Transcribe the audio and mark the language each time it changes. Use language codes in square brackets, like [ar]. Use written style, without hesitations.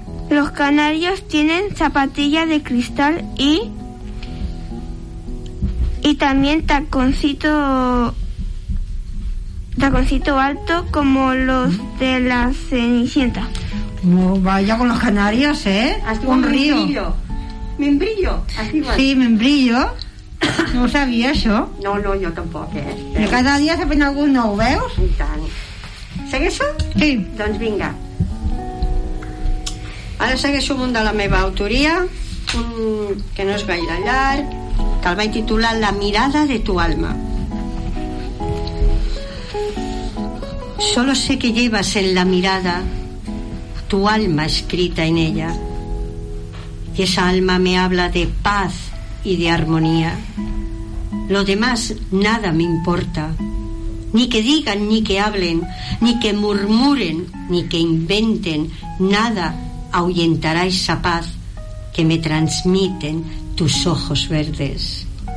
[es] Los canarios tienen zapatillas de cristal y también taconcito alto como los de la Cenicienta. Oh, vaya con los canarios, ¿eh? Un río. Membrillo. Sí, membrillo. No sabía eso. No, yo tampoco. Pero... cada día se pone algún [ca] nou, ¿veus? I tant. ¿Segueixo? Sí. Doncs vinga. Ara segueixo un de la meva autoria, que no és gaire llarg, que el vaig titular La mirada de tu alma. [es] Solo sé que llevas en la mirada tu alma escrita en ella, y esa alma me habla de paz y de armonía. Lo demás nada me importa, ni que digan, ni que hablen, ni que murmuren, ni que inventen, nada ahuyentará esa paz que me transmiten tus ojos verdes.